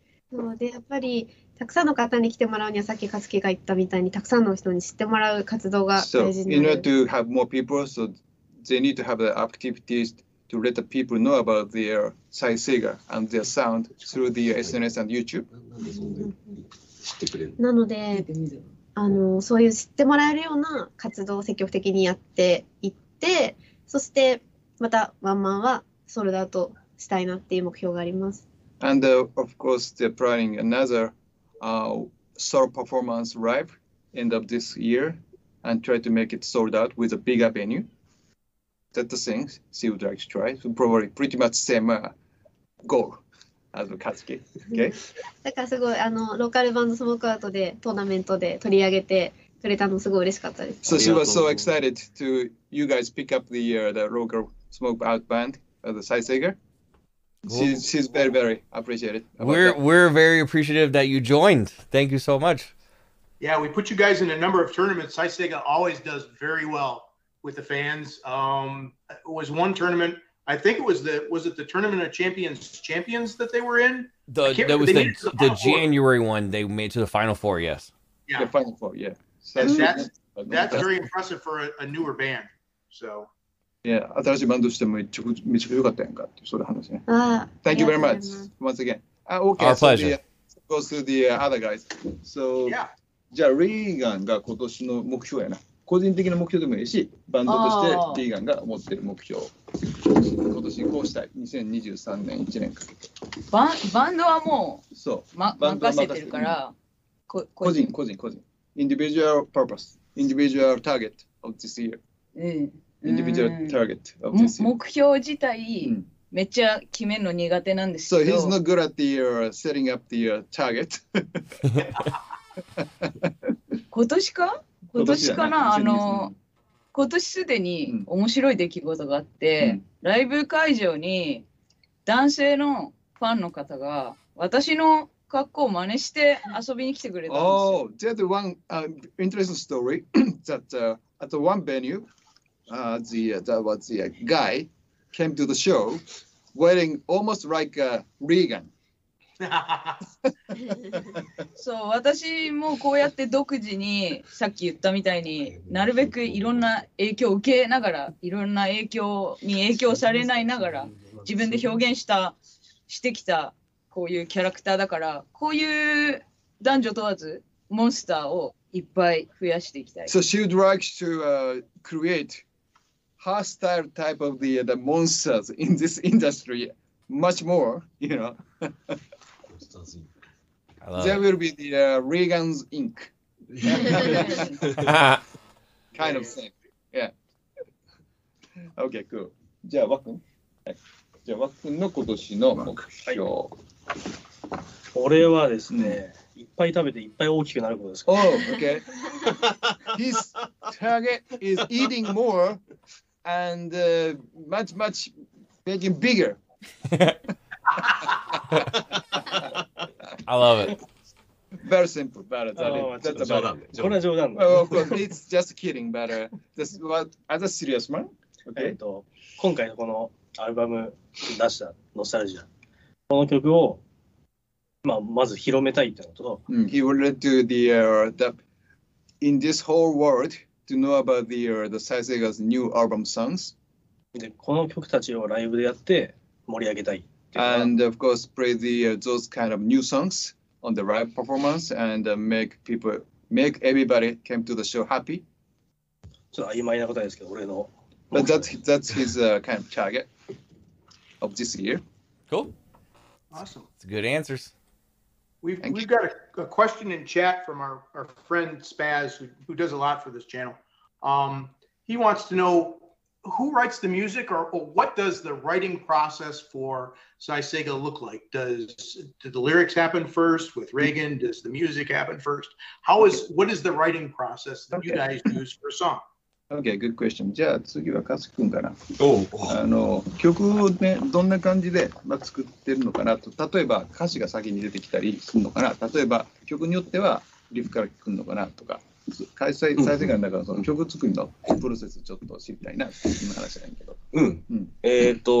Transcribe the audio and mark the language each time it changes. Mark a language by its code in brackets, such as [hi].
[ja] そうで、やっぱりたくさんの方に来てもらうには、さっき勝木が言ったみたいにたくさんの人に知ってもらう活動が大事になる。 [en] So in order to have more people, so they need to have the activities. To let the people know about their Saiseiga and their sound through the SNS and YouTube. [ja] なので、そういう知ってもらえるような活動を積極的にやっていって、そしてまたワンマンはソールドアウトしたいなっていう目標があります。 [en] And of course, they're planning another solo performance live end of this year and try to make it sold out with a bigger venue. That's the thing she would like to try. So probably pretty much same goal as Katsuki. Okay. [ja] だからすごいローカルバンドスモークアウトでトーナメントで取り上げてくれたのすごい嬉しかったです。 [en] So she was so excited to you guys pick up the local smoke out band the Saiseiga. She's very very appreciated. We're very appreciative that you joined. Thank you so much. Yeah, we put you guys in a number of tournaments. Saiseiga always does very well. With the fans, it was one tournament. I think it was the tournament of champions that they were in. That was the January one. They made it to the final four. Yes. Yeah. The final four. Yeah. So that's very impressive for a newer band. So. [ja] Yeah, 新しいバンドとしてもめちゃ良かったやんかっていうそういう話ね。 [en] Thank you very much once again. Okay. Our pleasure. Go to the other guys. So. Yeah. [ja] じゃあ、リーガンが今年の目標やな。個人的な目標でもいいし、バンドとしてビーガンが持ってる目標、今年こうしたい、2023年1年かけて。バンドはもう、そう、任せてるから、 [en] 個人、individual purpose、individual target of this year、individual target of this year。 [ja] 目標自体、めっちゃ決めるの苦手なんですけど。 [en] So he's not good at the setting up the target [ja] 。 今年か？今年かな、ね、今年すでに面白い出来事があって、ライブ会場に男性のファンの方が私の格好を真似して遊びに来てくれたんですよ。 [en] Oh, there's one interesting story that at the one venue, that was the guy came to the show wearing almost like a Regan. [ja] そう、私もこうやって独自にさっき言ったみたいになるべくいろんな影響を受けながら、いろんな影響に影響されないながら自分で表現したしてきたこういうキャラクターだから、こういう男女問わずモンスターをいっぱい増やしていきたい。 [en] So she would like to、create her style type of the monsters in this industry much more, you know. There will be the Regan's Ink. kind of thing. Yeah. Okay, cool. [ja] じゃあ、わくん。じゃあ、わくんの今年の目標。これはですね、いっぱい食べていっぱい大きくなることです [en] か。Oh, okay. His target is eating more and、much, much making bigger. I love it. Very simple, but that's about it. [ja] これは冗談だ。 [en] Of course, it's just kidding, but this was as a serious man. Okay. [ja] 今回のこのアルバム出したノスタルジア、この曲をまあ、まず広めたいってこと。 [en] He wanted to the in this whole world to know about the Saiseiga's new album songs. [ja] で、この曲たちをライブでやって盛り上げたい。 [en] And of course, play those kind of new songs on the live performance and make everybody came to the show happy. [ja] ちょっと曖昧なことですけど、俺の。 [en] But that's his kind of target of this year. Cool. Awesome. It's good answers. We've got a question in chat from our friend Spaz, who does a lot for this channel. He wants to know, who writes the music, or what does the writing process for Saiseiga look like? Do the lyrics happen first with Reagan? Does the music happen first? What is the writing process that you guys use for a song? Okay, good question. [ja] じゃあ次はカス君かな。 [en] Oh. [ja] あの曲をね、どんな感じで、まあ、作ってるのかなと、例えば歌詞が先に出てきたりするのかな、例えば曲によってはリフから聞くのかなとか、最初からだからその曲作りのプロセスちょっと知りたいなっていう話なんだけど。